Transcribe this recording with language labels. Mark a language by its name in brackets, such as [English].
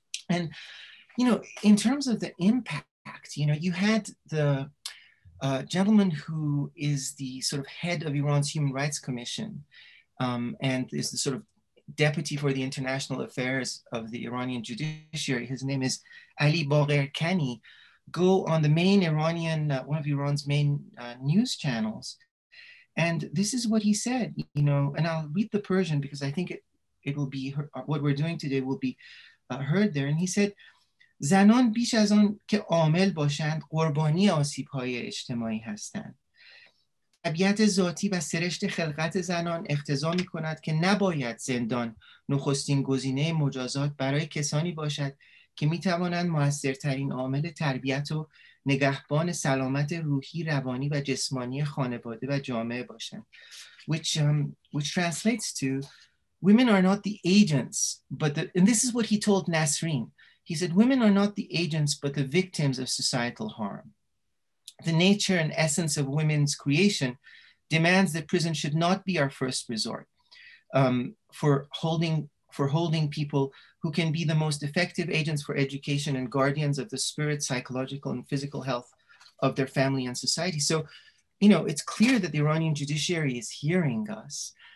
[English] And, you know, in terms of the impact, you know, you had the gentleman who is the sort of head of Iran's Human Rights Commission and is the sort of deputy for the international affairs of the Iranian judiciary. His name is Ali Bagherkani. Go on the main Iranian, one of Iran's main news channels. And this is what he said, you know, and I'll read the Persian because I think it will be, what we're doing today will be heard there. And he said, [Persian] زنان بیش از آن که عامل باشند قربانی آسیب‌های اجتماعی هستند. طبیعت ذاتی و سرشت خلقت زنان اقتضا می‌کند که نباید زندان نخستین گزینه مجازات برای کسانی باشد که می‌توانند مؤثرترین عامل تربیت و نگهبان سلامت روحی، روانی و جسمانی خانواده و جامعه باشند. [English] Which translates to women are not the agents but and this is what he told Nasrin. He said, women are not the agents, but the victims of societal harm. The nature and essence of women's creation demands that prison should not be our first resort for holding people who can be the most effective agents for education and guardians of the spirit, psychological, and physical health of their family and society. So, you know, it's clear that the Iranian judiciary is hearing us.